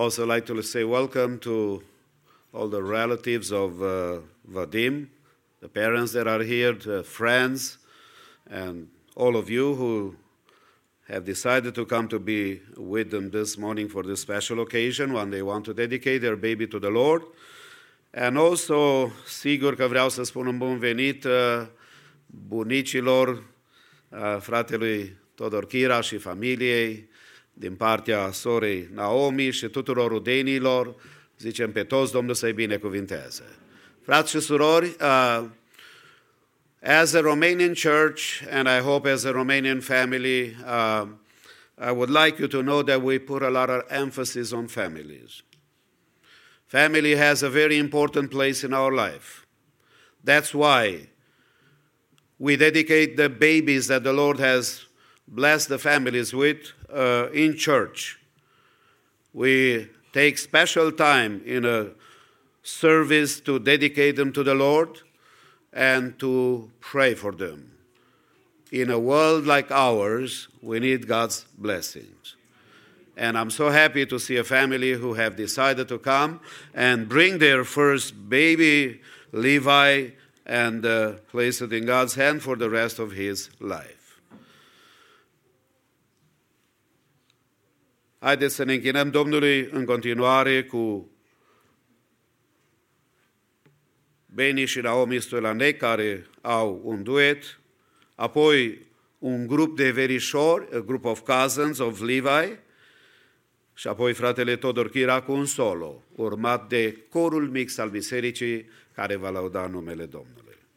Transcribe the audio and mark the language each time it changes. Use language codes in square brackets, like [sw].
[en] Also like to say welcome to all the relatives of Vadim, the parents that are here, the friends, And all of you who have decided to come to be with them this morning for this special occasion when they want to dedicate their baby to the Lord. And also, [ro] sigur că vreau să spun un bun venit bunicilor, fratelui Todor Chira și familiei, din partea sorei Naomi și tuturor rudenilor, zicem pe toți Domnul să-i binecuvinteze. Frați și surori, [en] as a Romanian church, and I hope as a Romanian family, I would like you to know that we put a lot of emphasis on families. Family has a very important place in our life. That's why we dedicate the babies that the Lord has blessed the families with in church. We take special time in a service to dedicate them to the Lord and to pray for them. In a world like ours, we need God's blessings. And I'm so happy to see a family who have decided to come and bring their first baby, Levi, and place it in God's hand for the rest of his life. [ro] Haideți să ne închinăm Domnului în continuare cu Beni și Naomi Stoilanei, care au un duet, apoi un grup de verișori, [en] a group of cousins of Levi, [ro] și apoi fratele Todor Chira cu un solo, urmat de corul mix al bisericii, care va lăuda numele Domnului.